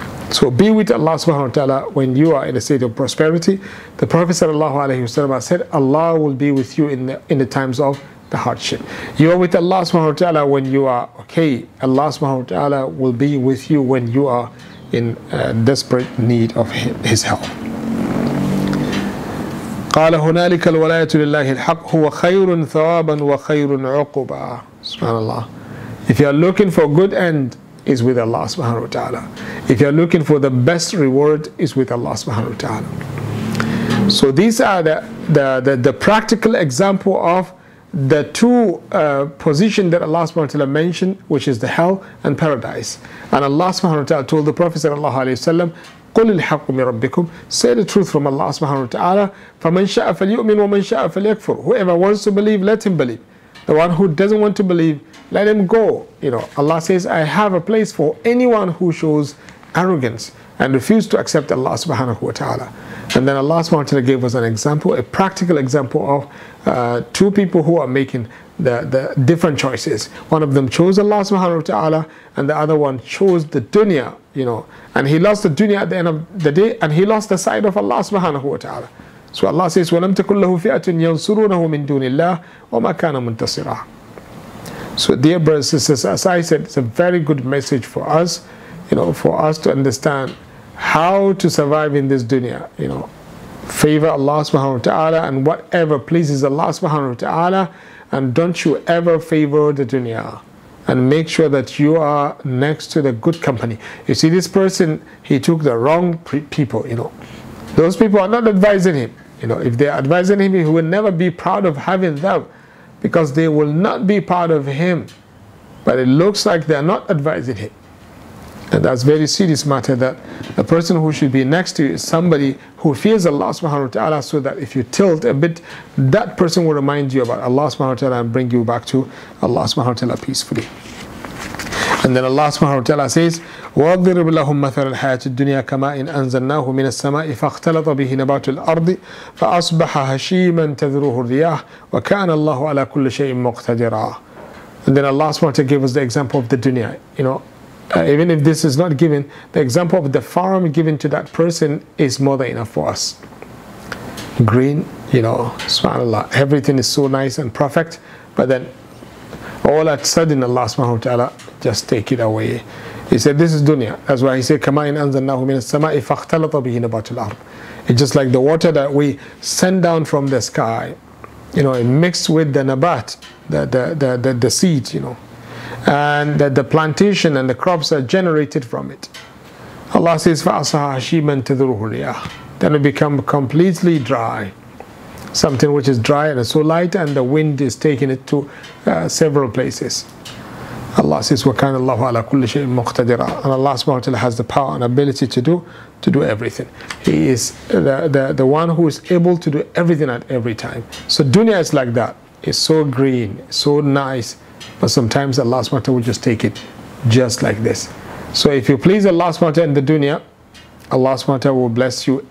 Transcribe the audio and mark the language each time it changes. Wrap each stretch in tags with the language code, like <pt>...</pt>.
<en>So be with Allah subhanahu wa ta'ala when you are in a state of prosperity. The Prophet sallallahu alayhi wa sallam said, Allah will be with you in the times of the hardship. You are with Allah subhanahu wa ta'ala when you are okay. Allah subhanahu wa ta'ala will be with you when you are in desperate need of His help.</en> <ar>قال هنالك الولاية لله الحق هو خير ثوابا وخير عقبا. سبحان الله.</ar> <en>If you are looking for good end, is with Allah subhanahu wa ta'ala. If you are looking for the best reward, is with Allah subhanahu wa ta'ala. So these are the practical example of the two position that Allah subhanahu wa ta'ala mentioned, which is the hell and paradise. And Allah subhanahu wa ta'ala told the Prophet sallallahu alayhi wa sallam,</en> <ar>قل الحق من ربكم.</ar> <en>Say the truth from Allah subhanahu wa ta'ala.</en> <ar>فمن شاء فليؤمن ومن شاء فليكفر.</ar> <en>Whoever wants to believe, let him believe. The one who doesn't want to believe, let him go. You know, Allah says, I have a place for anyone who shows arrogance and refuse to accept Allah subhanahu wa ta'ala. And then Allah subhanahu wa ta'ala gave us an example, a practical example of two people who are making the different choices. One of them chose Allah subhanahu wa ta'ala and the other one chose the dunya, you know. And he lost the dunya at the end of the day and he lost the sight of Allah subhanahu wa ta'ala. So Allah says,</en> <ar>وَلَمْ تَكُنْ لَهُ فِيَةٌ يَنْصُرُونَهُ مِنْ دُونِ اللَّهِ وَمَا كَانَ مُنْتَصِرًا.</ar> <en>So dear brothers and sisters, as I said, it's a very good message for us, you know, for us to understand how to survive in this dunya, you know. Favor Allah subhanahu wa ta'ala and whatever pleases Allah subhanahu wa ta'ala, and don't you ever favor the dunya. And make sure that you are next to the good company. You see, this person, he took the wrong people, you know. Those people are not advising him. You know, if they're advising him, he will never be proud of having them, because they will not be proud of him. But it looks like they're not advising him. And that's very serious matter, that the person who should be next to you is somebody who fears Allah subhanahu wa ta'ala, so that if you tilt a bit, that person will remind you about Allah subhanahu wa ta'ala and bring you back to Allah subhanahu wa ta'ala peacefully. And then Allah subhanahu wa ta'ala says,</en> <ar>وَاضْرِبْ لَهُمْ مَثَلَ الْحَيَاةِ الدُّنْيَا كَمَا إِنْ أَنْزَلْنَاهُ مِنَ السَّمَاءِ فَاخْتَلَطَ بِهِ نَبَاتُ الْأَرْضِ فَأَصْبَحَ هَشِيمًا تَذْرُوهُ الرِّيَاحُ وَكَانَ اللَّهُ عَلَى كُلِّ شَيْءٍ مُقْتَدِرًا.</ar> <en>And then Allah subhanahu wa ta'ala gave us the example of the dunya. You know, even if this is not given, the example of the farm given to that person is more than enough for us. Green, you know, subhanAllah, everything is so nice and perfect, but then all at sudden Allah subhanahu wa ta'ala just take it away. He said, this is dunya. That's why he said,</en> <ar>كَمَا إِنْ أَنْزَلْنَاهُ مِنَ السَّمَاءِ فَاخْتَلَطَ بِهِ نَبَاتُ الْأَرْضِ.</ar> <en>It's just like the water that we send down from the sky, you know, it mixed with the nabat, the seed, you know, and that the plantation and the crops are generated from it. Allah says,</en> <ar>فَأَصْبَحَ هَشِيمًا تَذْرُوهُ الرِّيَاحُ.</ar> <en>Then it become completely dry. Something which is dry and so light, and the wind is taking it to several places. Allah says,</en> <ar>وَكَانَ اللَّهُ عَلَى كُلِّ شَيْءٍ مُقْتَدِرًا.</ar> <en>And Allah subhanahu wa ta'ala has the power and ability to do everything. He is the one who is able to do everything at every time. So dunya is like that. It's so green, so nice. But sometimes Allah subhanahu wa ta'ala will just take it just like this. So if you please Allah subhanahu wa ta'ala in the dunya, Allah subhanahu wa ta'ala will bless you.</en>